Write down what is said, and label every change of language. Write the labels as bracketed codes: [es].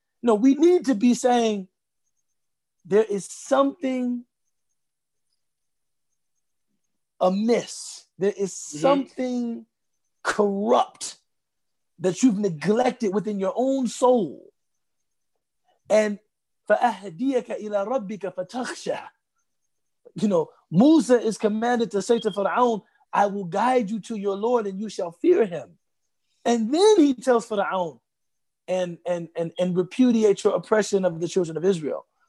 [en] No, we need to be saying there is something amiss. There is something corrupt that you've neglected within your own soul. [ar] And فَأَهْدِيَكَ إِلَىٰ رَبِّكَ فَتَخْشَىٰ. [en] You know, Musa is commanded to say to Fir'aun, I will guide you to your Lord and you shall fear him. And then he tells Fir'aun and repudiate your oppression of the children of Israel.